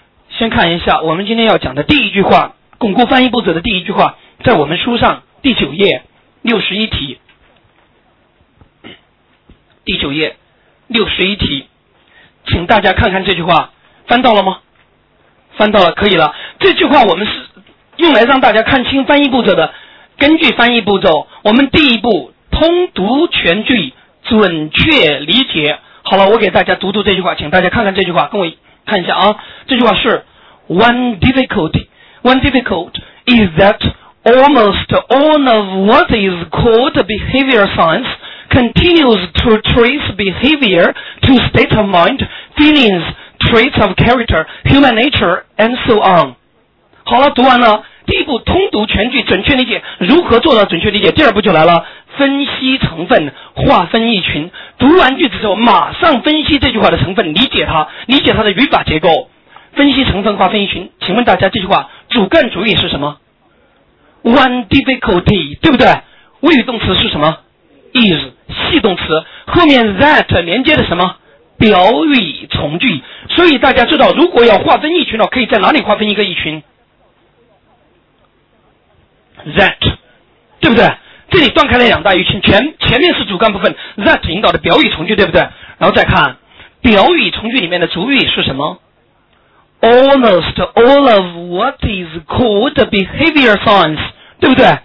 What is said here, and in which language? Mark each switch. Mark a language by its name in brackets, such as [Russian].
[Chinese] 先看一下我们今天要讲的第一句话，巩固翻译步骤的第一句话，在我们书上第九页61题，第九页61题，请大家看看这句话，翻到了吗？翻到了，可以了。这句话我们是用来让大家看清翻译步骤的。根据翻译步骤，我们第一步通读全句，准确理解。好了，我给大家读读这句话，请大家看看这句话，跟我看一下啊。这句话是 [English] One difficult is that almost all of what is called behavior science continues to trace behavior to state of mind, feelings, traits of character, human nature, and so on. [Chinese] 好了，读完了。第一步通读全句，准确理解。如何做到准确理解？第二步就来了，分析成分，划分一群。读完句子之后马上分析这句话的成分，理解它，理解它的语法结构，分析成分，划分一群。请问大家，这句话主干主语是什么？ [English] One difficulty， [Chinese] 对不对？谓语动词是什么？ Is， 系动词。后面 that 连接的什么？表语从句。所以大家知道，如果要划分一群了，可以在哪里划分一个一群？ that， 对不对？这里断开了两大一群，前面是主干部分， that 引导的表语从句，对不对？然后再看表语从句里面的主语是什么？ [English] almost all of what is called behavior science， [Chinese] 对不对？